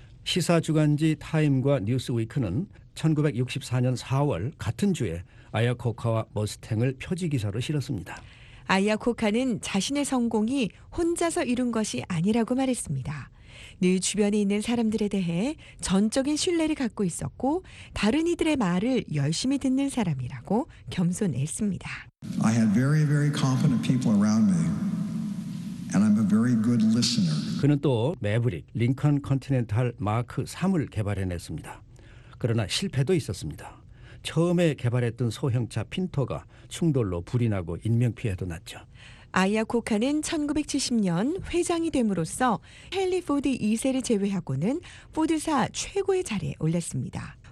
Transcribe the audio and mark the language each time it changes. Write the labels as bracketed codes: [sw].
[ko] 시사 주간지 타임과 뉴스위크는 1964년 4월 같은 주에 아야코카와 머스탱을 표지 기사로 실었습니다. 아야코카는 자신의 성공이 혼자서 이룬 것이 아니라고 말했습니다. 늘 주변에 있는 사람들에 대해 전적인 신뢰를 갖고 있었고 다른 이들의 말을 열심히 듣는 사람이라고 겸손했습니다. [en] I have very, very competent people around me. And I'm a very good listener. [ko] 그는 또 매브릭, 링컨 컨티넨탈 마크 3을 개발해냈습니다. 그러나 실패도 있었습니다. 처음에 개발했던 소형차 핀토가 충돌로 불이 나고 인명피해도 났죠. 아이아코카는 1970년 회장이 됨으로써 헨리 포드 2세를 제외하고는 포드사 최고의 자리에 올랐습니다.